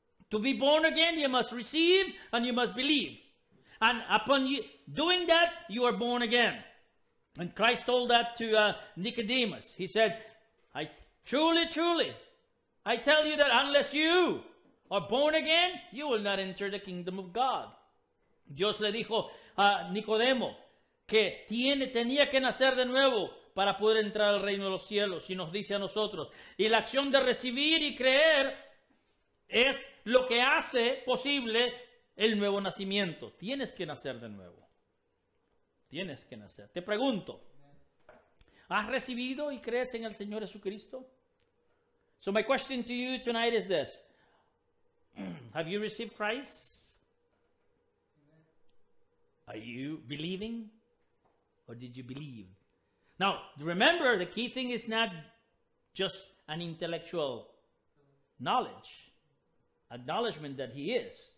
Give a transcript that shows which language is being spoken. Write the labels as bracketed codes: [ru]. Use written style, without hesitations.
[en] To be born again, you must receive and you must believe. And upon you doing that, you are born again. And Christ told that to Nicodemus. He said, "I truly, truly, I tell you that unless you are born again, you will not enter the kingdom of God." [es] Dios le dijo a Nicodemo que tenía que nacer de nuevo para poder entrar al reino de los cielos. Y nos dice a nosotros, y la acción de recibir y creer es lo que hace posible el nuevo nacimiento. Tienes que nacer de nuevo. Tienes que nacer. Te pregunto, ¿has recibido y crees en el Señor Jesucristo? [en] So my question to you tonight is this. Have you received Christ? Are you believing? Or did you believe? Now, remember, the key thing is not just an intellectual knowledge, acknowledgement that he is.